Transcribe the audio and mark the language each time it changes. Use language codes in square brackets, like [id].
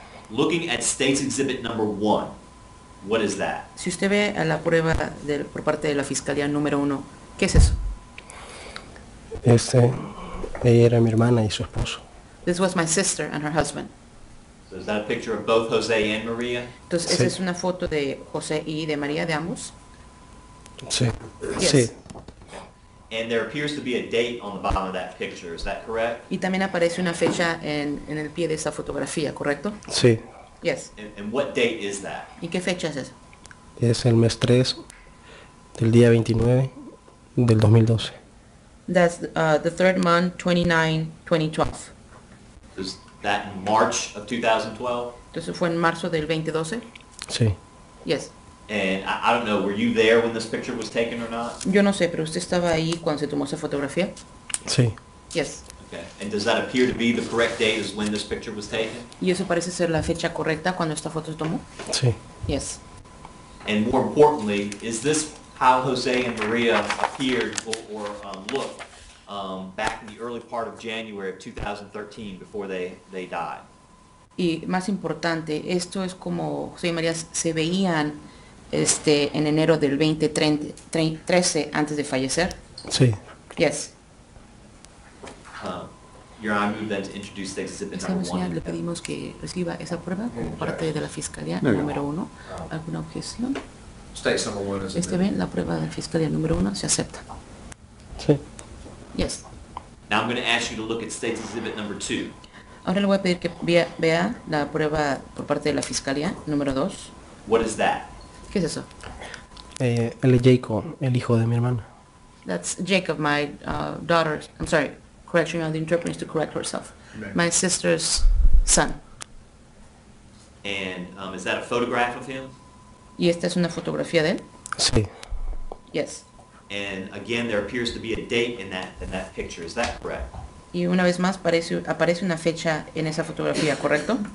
[en] Looking at State's Exhibit number 1, what is that? [es] Si usted ve a la prueba por parte de la Fiscalía número 1, ¿qué es eso? Ella era mi hermana y su esposo. [en] This was my sister and her husband. So is that a picture of both Jose and Maria? [es] Entonces, sí. Esa es una foto de José y de María, de ambos. Sí. [en] Yes. [es] Sí. [en] And there appears to be a date on the bottom of that picture. Is that correct? [es] Y también aparece una fecha en el pie de esa fotografía, ¿correcto? Sí. [en] Yes. And what date is that? [es] ¿Y qué fecha es esa? Es el mes 3 del día 29 del 2012. [en] That's the third month, 29, 2012. Is that in March of 2012? [es] Entonces fue en marzo del 2012. Sí. [en] Yes. And I don't know, were you there when this picture was taken or not? [es] Yo no sé, pero usted estaba ahí cuando se tomó esa fotografía. Sí. [en] Yes. Okay. And does that appear to be the correct date as when this picture was taken? [es] ¿Y eso parece ser la fecha correcta cuando esta foto se tomó? Sí. [en] Yes. And more importantly, is this how Jose and Maria appeared or looked back in the early part of January of 2013 before they died? [es] Y más importante, esto es como Jose y María se veían en enero del 2013, antes de fallecer. Sí. [en] Yes. Your Honor, I move then to introduce the exhibit number 1. [es] Señor, le pedimos que reciba esa prueba como parte de la Fiscalía número 1. ¿Alguna objeción? [en] State's number 1 is [es] ¿Ven? La prueba de la Fiscalía número 1 se acepta. Sí. [en] Yes. Now I'm going to ask you to look at State's exhibit number 2. [es] Ahora le voy a pedir que vea la prueba por parte de la Fiscalía número 2. [en] What is that? [es] ¿Qué es eso? Él es Jacob, el hijo de mi hermana. [en] That's Jacob, my daughter. I'm sorry, correction, the interpreter needs to correct herself. my sister's son. And is that a photograph of him? [es] ¿Y esta es una fotografía de él? Sí. [en] Yes. And again, there appears to be a date in that picture. Is that correct? [es] Y una vez más aparece una fecha en esa fotografía, ¿correcto?